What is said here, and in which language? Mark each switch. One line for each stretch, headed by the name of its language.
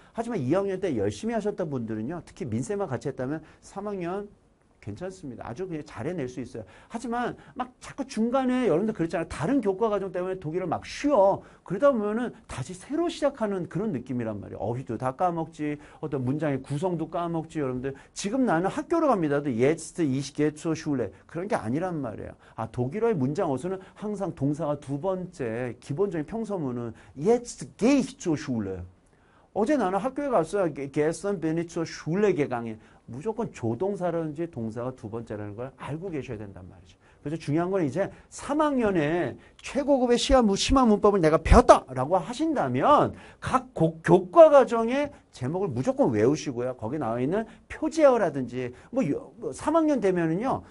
Korean: 하지만 2학년 때 열심히 하셨던 분들은요. 특히 민쌤과 같이 했다면 3학년 괜찮습니다. 아주 그냥 잘해낼 수 있어요. 하지만 막 자꾸 중간에 여러분들 그랬잖아요. 다른 교과 과정 때문에 독일을 막 쉬어. 그러다 보면은 다시 새로 시작하는 그런 느낌이란 말이에요. 어휘도 다 까먹지, 어떤 문장의 구성도 까먹지, 여러분들. 지금 나는 학교로 갑니다도
German: jetzt, ich gehe zur Schule.
Korean: 그런 게 아니란 말이에요. 아, 독일어의 문장 어순은 항상 동사가 두 번째 기본적인 평서문은
German: jetzt gehe ich zur Schule.
Korean: 어제 나는 학교에 갔어요.
German: gestern bin ich zur Schule gegangen.
Korean: 무조건 조동사라든지 동사가 두 번째라는 걸 알고 계셔야 된단 말이죠. 그래서 중요한 건 이제 3학년에 최고급의 심화 문법을 내가 배웠다라고 하신다면 각 교과 과정의 제목을 무조건 외우시고요. 거기 나와 있는 표제어라든지 뭐 3학년 되면은요.